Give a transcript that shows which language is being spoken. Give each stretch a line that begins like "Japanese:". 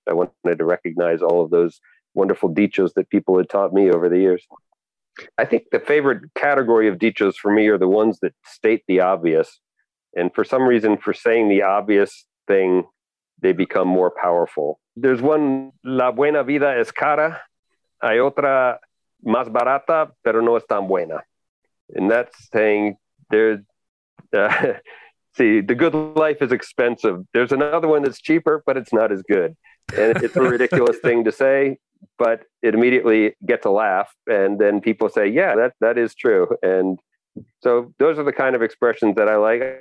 English: I wanted to recognize all of those wonderful dichos that people had taught me over the years. I think the favorite category of dichos for me are the ones that state the obvious. And for some reason, for saying the obvious thing, they become more powerful. There's one,
Spanish: la buena vida es cara. Hay otra, más barata, pero no es tan buena.
English: And that's saying, the good life is expensive. There's another one that's cheaper, but it's not as good. And it's a ridiculous thing to say, but it immediately gets a laugh. And then people say, yeah, that is true. And so those are the kind of expressions that I like.